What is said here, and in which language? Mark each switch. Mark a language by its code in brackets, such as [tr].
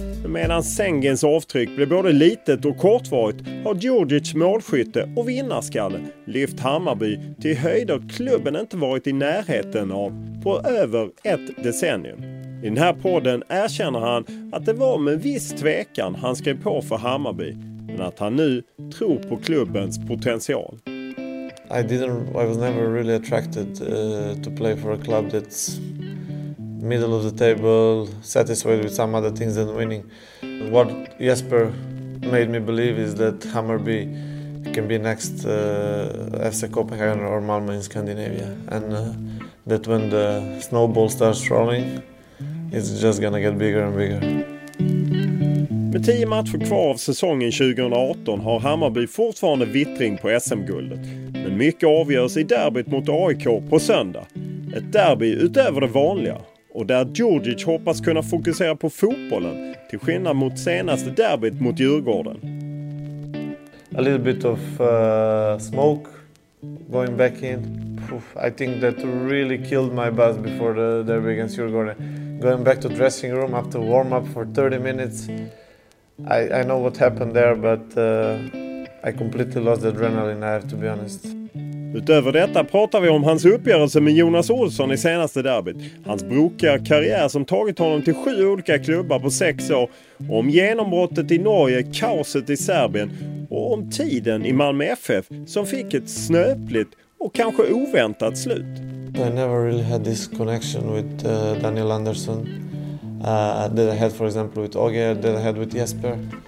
[sv] Medan Sengins avtryck blev både litet och kortvarigt har Djurdjics målskytte och vinnarskalle lyft Hammarby till höjder klubben inte varit i närheten av på över ett decennium. I den här podden erkänner han att det var med viss tvekan han skrev på för Hammarby, men att han nu tror på klubbens potential. [en] I was never really attracted to play for a club that's middle of the table, satisfied with some other things than winning. What Jesper made me believe is that Hammarby can be next FC Copenhagen or Malmö in Scandinavia, and that when the snowball starts rolling, it's just gonna get bigger and bigger. [sv] Med 10 matcher kvar av säsongen 2018 har Hammarby fortfarande vittring på SM-guldet. Men mycket avgörs i derbyt mot AIK på söndag. Ett derby utöver det vanliga. Och där Djurdjic hoppas kunna fokusera på fotbollen till skillnad mot senaste derbyt mot Djurgården. [en] A little bit of smoke going back in. I think that really killed my buzz before the derby against Djurgården. Going back to dressing room after warm-up for 30 minutes. I know what happened there, but I completely lost the adrenaline, I have to be honest. [sv] Utöver detta pratar vi om hans uppgörelse med Jonas Olsson i senaste derbyt. Hans brokiga karriär som tagit honom till 7 olika klubbar på 6 år. Om genombrottet i Norge, kaoset i Serbien. Och om tiden i Malmö FF som fick ett snöpligt och kanske oväntat slut. [en] I never really had this connection with Daniel Andersson. That I had, for example, with Oge, that I had with Jesper.